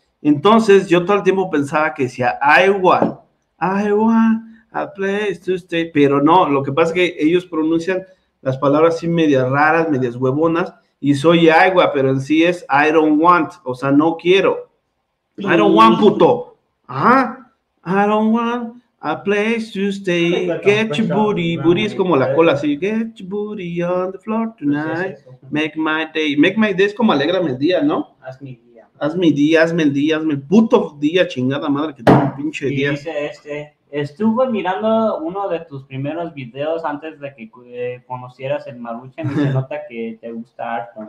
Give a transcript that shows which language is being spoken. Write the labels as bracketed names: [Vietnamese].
[Spanish] Entonces yo todo el tiempo pensaba que decía, [English] I want. A place to stay, [Spanish] pero no, lo que pasa es que ellos pronuncian las palabras así medias raras, medias huevonas, y soy agua, pero en sí es [English] I don't want, [Spanish] o sea, no quiero. [English] I don't want, [Spanish] puto. Ajá. [English] I don't want a place to stay. Get your booty. [Spanish] Booty es como la cola, así. [English] Get your booty on the floor tonight. Make my day. Make my day [Spanish] es como alégrame el día, ¿no? Haz mi día, hazme el puto día, chingada madre, que tengo un pinche y día. Dice estuve mirando uno de tus primeros videos antes de que conocieras el Maruchan y se nota que te gusta harto.